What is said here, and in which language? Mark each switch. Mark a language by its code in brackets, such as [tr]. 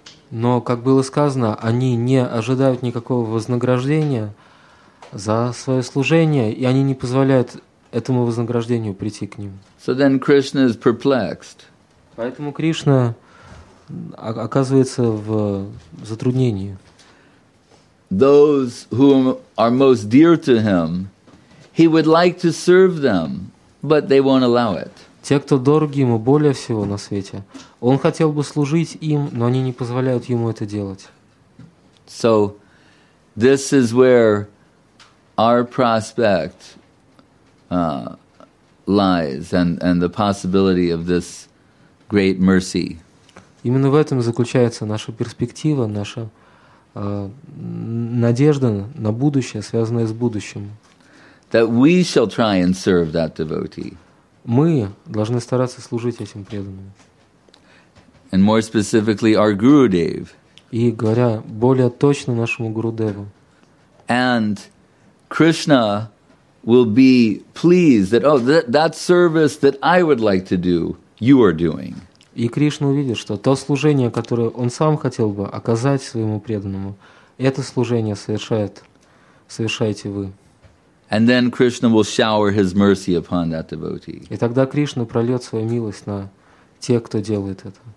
[ru] Но, как было сказано, они не ожидают никакого вознаграждения за свое служение, и они не позволяют этому вознаграждению прийти к ним. [en] So then Krishna is perplexed. [ru] Поэтому Кришна оказывается в затруднении. [en] Those who are most dear to him, he would like to serve them, but they won't allow it. [ru] Те, кто дороги ему более всего на свете, он хотел бы служить им, но они не позволяют ему это делать. [en] So this is where our prospect lies and the possibility of this great mercy. [ru] Именно в этом заключается наша перспектива, наша надежда на будущее, связанная с будущим. [en] That we shall try and serve that devotee. [ru] Мы должны стараться служить этим преданным. [en] And more specifically, our Gurudev. [ru] И говоря более точно нашему Гурудеву. [en] And Krishna will be pleased that, oh, that service that I would like to do, you are doing. [ru] И Кришна увидит, что то служение, которое он сам хотел бы оказать своему преданному, это служение совершаете вы. [en] And then Krishna will shower his mercy upon that devotee. [ru] И тогда Кришна прольет свою милость на тех, кто делает это.